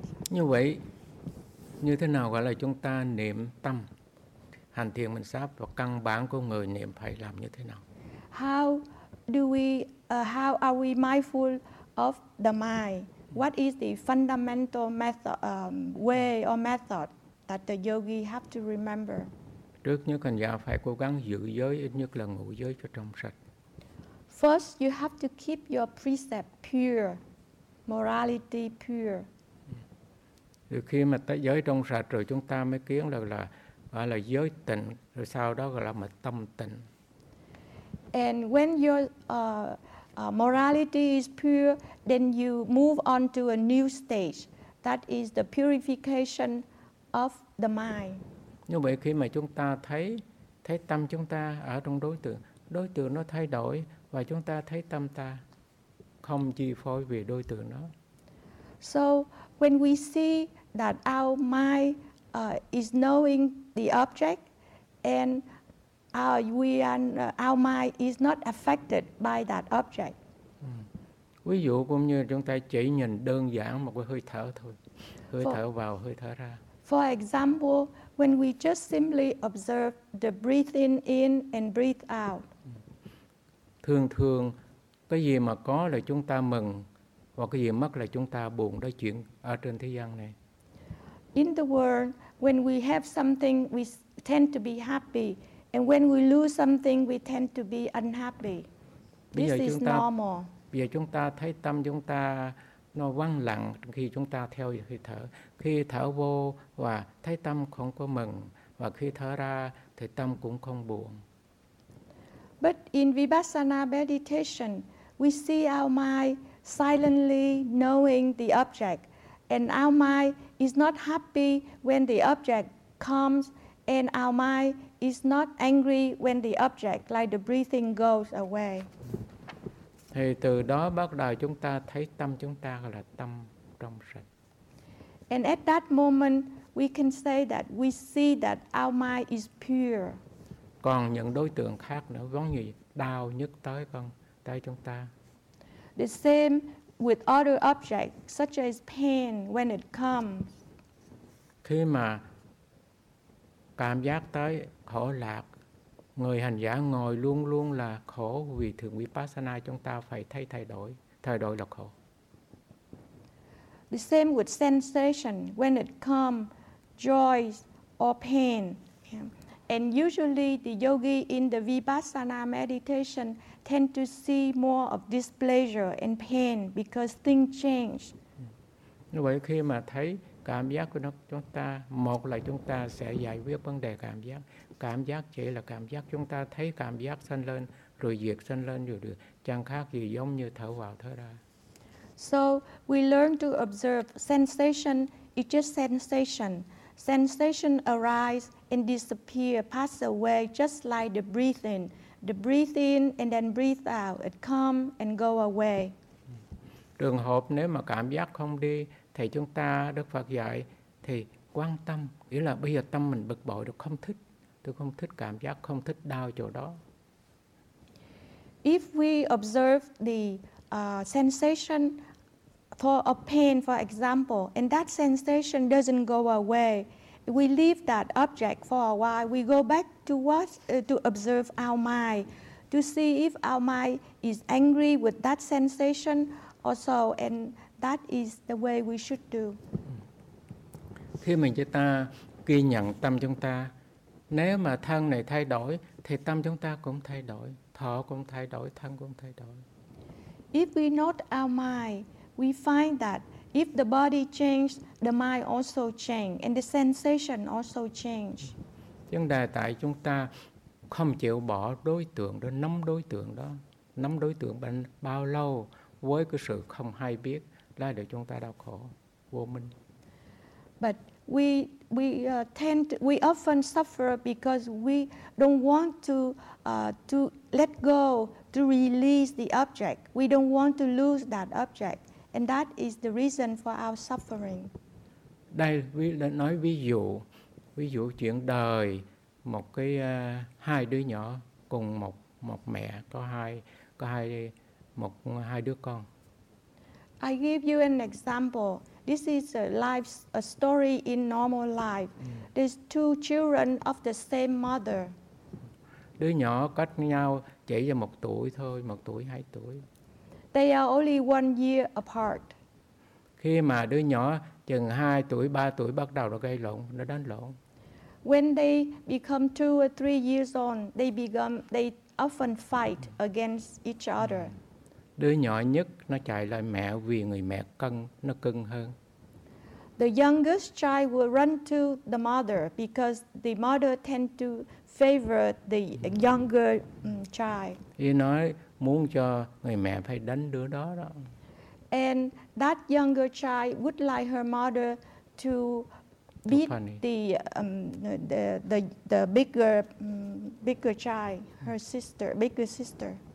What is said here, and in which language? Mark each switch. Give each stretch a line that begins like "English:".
Vietnamese: Như vậy, như thế nào gọi là chúng ta niệm tâm? Hành thiền minh sát và căn bản của người niệm phải làm như thế nào?
English: How are we mindful of the mind? What is the fundamental method, way or method that the yogi have to remember?
Vietnamese: Trước nhất hành giả phải cố gắng giữ giới, ít nhất là ngũ giới cho trong sạch.
English: First, you have to keep your precept pure, morality pure.
Vietnamese: Thì khi mà tới giới trong sạch rồi chúng ta mới kiến là giới tịnh, rồi sau đó gọi là mà tâm tịnh.
English: And when your morality is pure, then you move on to a new stage. That is the purification of the mind.
Vietnamese: Như vậy khi mà chúng ta thấy tâm chúng ta ở trong đối tượng nó thay đổi và chúng ta thấy tâm ta không chi phối về đối tượng đó.
English: So when we see that our mind is knowing the object and our mind is not affected by that object.
Vietnamese: Ví dụ cũng như chúng ta chỉ nhìn đơn giản một cái hơi thở thôi, hơi thở vào, hơi thở ra.
English: For example, when we just simply observe the breathing in and breathe out.
Vietnamese: Thường thường, cái gì mà có là chúng ta mừng, và cái gì mất là chúng ta buồn, đó chuyện ở trên thế gian này.
English: In the world, when we have something, we tend to be happy. And when we lose something, we tend to be unhappy. This is normal.
Vietnamese: Bây giờ chúng ta thấy tâm chúng ta nó vắng lặng khi chúng ta theo hơi thở. Khi thở vô và thấy tâm không có mừng. Và khi thở ra thì tâm cũng không buồn.
English: But in Vipassana meditation, we see our mind silently knowing the object. And our mind is not happy when the object comes. And our mind is not angry when the object, like the breathing, goes away.
Vietnamese: Thì từ đó bắt đầu chúng ta thấy tâm chúng ta là tâm trong sạch.
English: And at that moment, we can say that we see that our mind is pure.
Vietnamese: Còn những đối tượng khác nữa, giống như đau nhức tới chúng ta.
English: The same with other objects, such as pain, when it comes.
Vietnamese: Khi mà cảm giác tới khổ lạc, người hành giả ngồi luôn luôn là khổ vì thường Vipassana chúng ta phải thay đổi là khổ.
English: The same with sensation, when it comes, joy or pain. And usually the yogi in the Vipassana meditation tend to see more of displeasure and pain because things change.
Vietnamese: Như vậy khi mà thấy cảm giác của nó, chúng ta, một là chúng ta sẽ giải quyết vấn đề cảm giác. Cảm giác chỉ là cảm giác, chúng ta thấy cảm giác sinh lên, rồi diệt sinh lên, rồi được. Chẳng khác gì giống như thở vào, thở ra.
English: So, we learn to observe sensation, it's just sensation. Sensation arise and disappear, pass away, just like the breathing. the breathe in and then breathe out, it come and go away.
Vietnamese: Trường hợp nếu mà cảm giác không đi thì chúng ta Đức Phật dạy thì quan tâm, nghĩa là bây giờ tâm mình bực bội được không thích, tôi không thích cảm giác, không thích đau chỗ đó.
English: If we observe the sensation for a pain, for example, and that sensation doesn't go away, we leave that object for a while, we go back to what to observe our mind, to see if our mind is angry with that sensation also, and that is the way we should do.
Vietnamese: Khi mình cho ta ghi nhận tâm chúng ta, nếu mà thân này thay đổi thì tâm chúng ta cũng thay đổi, thọ cũng thay đổi, thân cũng thay đổi.
English: If we note our mind, we find that if the body changes, the mind also changes, and the sensation also changes.
Vietnamese: Vấn đề tại chúng ta không chịu bỏ đối tượng đó, nắm đối tượng đó, nắm đối tượng bao lâu với cái sự không hay biết là để chúng ta đau khổ, vô minh.
English: But we often suffer because we don't want to let go, to release the object. We don't want to lose that object. And that is the reason for our suffering.
Vietnamese: Đây, ví, nói ví dụ chuyện đời, một cái hai đứa nhỏ cùng một một mẹ có hai đứa con.
English: I give you an example. This is a story in normal life. There's two children of the same mother.
Vietnamese: Đứa nhỏ cách nhau chỉ là một tuổi thôi, một tuổi, hai tuổi.
English: They are only 1 year apart.
Vietnamese: Khi mà đứa nhỏ chừng 2 tuổi, 3 tuổi bắt đầu nó gây lộn, nó đánh lộn.
English: When they become 2 or 3 years old, they often fight against each other.
Vietnamese: Đứa nhỏ nhất nó chạy lại mẹ vì người mẹ cưng, nó cưng hơn.
English: The youngest child will run to the mother because the mother tend to favor the younger child.
Vietnamese: Ý nói muốn cho người mẹ phải đánh đứa đó đó.
English: And that younger child would like her mother to beat the bigger child, her sister, bigger sister.